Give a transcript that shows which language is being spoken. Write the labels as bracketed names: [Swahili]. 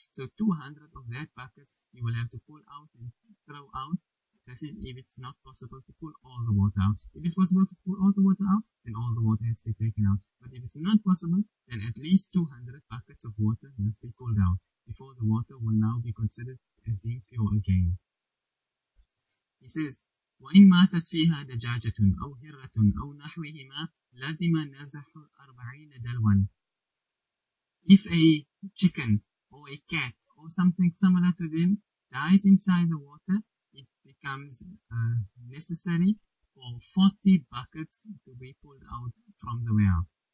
[English] So 200 of that buckets you will have to pull out and throw out. That is if it's not possible to pull all the water out. If it's possible to pull all the water out, then all the water has to be taken out. But if it's not possible, then at least 200 buckets of water must be pulled out before the water will now be considered as being pure again. He says, [Arabic] وَإِنْ مَاتَتْ فِيهَا دَجَاجَةٌ أَوْ هِرَّةٌ أَوْ نَحْوِهِمَا لَزِمَ نَزْحُ أَرْبَعِينَ دَلْوًا. [English] If a chicken or a cat or something similar to them dies inside the water, it becomes necessary for 40 buckets to be pulled out from the well.